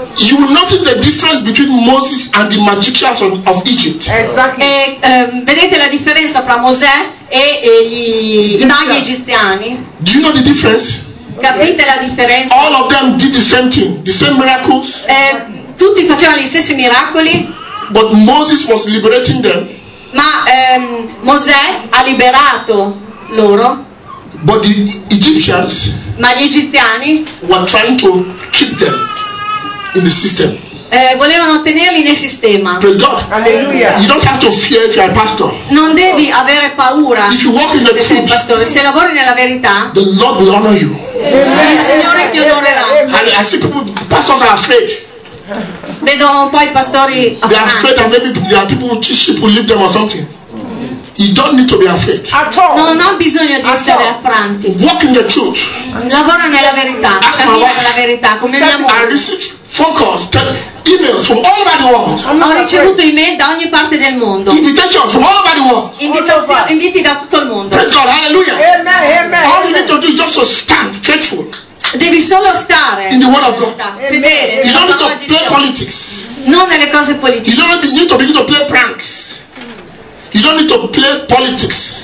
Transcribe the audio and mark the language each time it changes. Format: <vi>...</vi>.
<en>You will notice the difference between Moses and the magicians of Egypt. Exactly.</en> <it>E, vedete la differenza fra Mosè e gli, gli maghi egiziani?</it> <en>Do you know the difference?</en> <it>Capite la differenza?</it> <en>All of them did the same thing, the same miracles.</en> <it>Tutti facevano gli stessi miracoli.</it> <en>But Moses was liberating them.</en> <it>Ma Mosè ha liberato loro.</it> <en>But the Egyptians.</en> <it>Ma gli egiziani.</it> <en>Were trying to keep them in the system.</en> <it>Volevano tenerli nel sistema.</it> <en>Praise God.</en> <it>Alleluia.</it> <en>You don't have to fear if you are a pastor.</en> <it>Non devi avere paura.</it> <en>If you walk in the</en> <it>se</it> <en>truth,</en> <it>pastore, se lavori nella verità,</it> <en>the Lord will honor you.</en> <it>Amen. Il Signore ti onorerà.</it> <en>Amen. I see people, pastors are afraid.</en> <it>Vedo poi pastori.</it> <en>They are afraid that maybe there are people who sheep will leave them or something. You don't need to be afraid. At all.</en> <it>Non ho bisogno di essere affranti.</it> <en>Walk in the truth.</en> <it>Lavora nella verità.</it> <en>Ask my wife.</en> <it>Nella verità, come mia moglie.</it> <en>Phone calls, emails from all over the world.</en> <it>Ho ricevuto email da ogni parte del mondo.</it> <en>Invitations from all over the world.</en> <it>Inviti da tutto il mondo.</it> <en>Praise God, hallelujah. Amen, amen. All you need to do is just to stand faithful.</en> <it>Devi solo stare</it> <en>in the word of God.</en> <it>Fedele.</it> <en>You don't need to play politics.</en> <it>Non nelle cose politiche.</it> <en>You don't need to begin to play pranks. You don't need to play politics.</en>